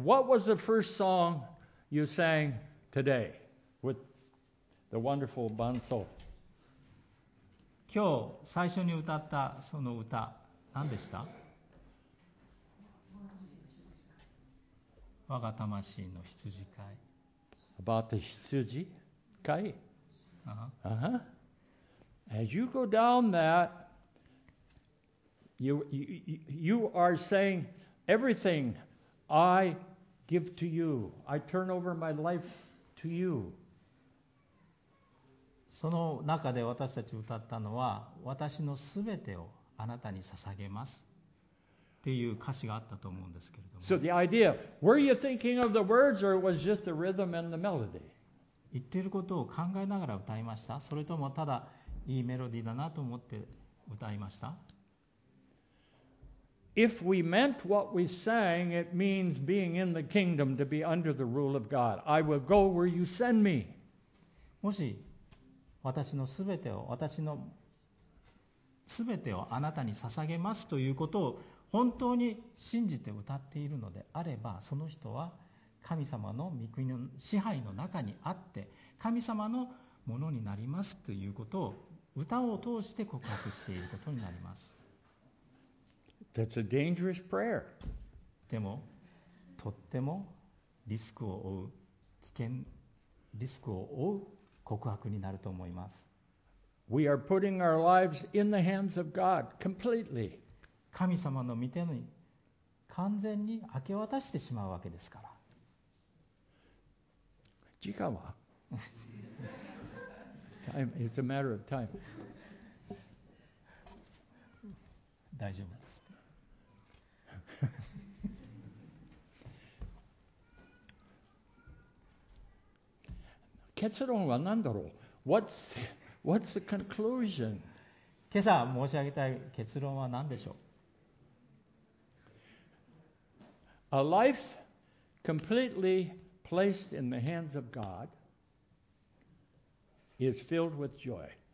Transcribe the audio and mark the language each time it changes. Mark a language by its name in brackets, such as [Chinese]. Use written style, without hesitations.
[English] What was the first song you sang today with the wonderful [Japanese] 伴奏？今日最初に歌ったその歌、何でした？我が魂の羊飼い。 [English] About the [Japanese] 羊飼い？ [English] As you go down that, you are saying everything I give to you. I turn over my life to you. [Japanese] その中で私たち歌ったのは、私のすべてをあなたに捧げますっていう歌詞があったと思うんですけれども。 [English] So the idea, were you thinking of the words or was just the rhythm and the melody? [Japanese] 言っていることを考えながら歌いました？それともただいいメロディーだなと思って歌いました？ [English] If we meant what we sang, it means being in the kingdom to be under the rule of God. I will go where you send me. [Japanese] もし私のすべてを、私のすべてをあなたに捧げますということを本当に信じて歌っているのであれば、その人は神様の御国の支配の中にあって神様のものになりますということを歌を通して告白していることになります。 [English] That's a dangerous prayer. [Japanese] でもとってもリスクを負う、危険リスクを負う告白になると思います。 We are putting our lives in the hands of God completely. 神様の御手に完全に明け渡してしまうわけですから。時間は [English] time, it's a matter of time. [Japanese] 大丈夫です。結論は何だろう？ [English] What's the conclusion? [Japanese] 今朝申し上げたい結論は何でしょう？ [English] A life completely... placed in the hands of God is filled with joy.